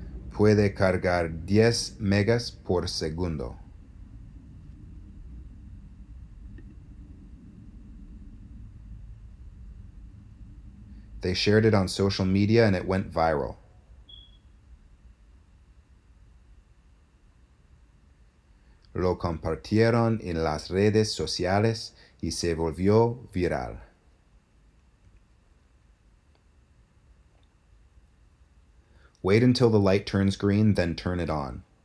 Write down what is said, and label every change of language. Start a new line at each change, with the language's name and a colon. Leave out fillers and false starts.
Spanish: Puede cargar 10 megas por segundo.
English: They shared it on social media and it went viral.
Spanish: Lo compartieron en las redes sociales y se volvió viral.
English: Wait until the light turns green, then turn it on.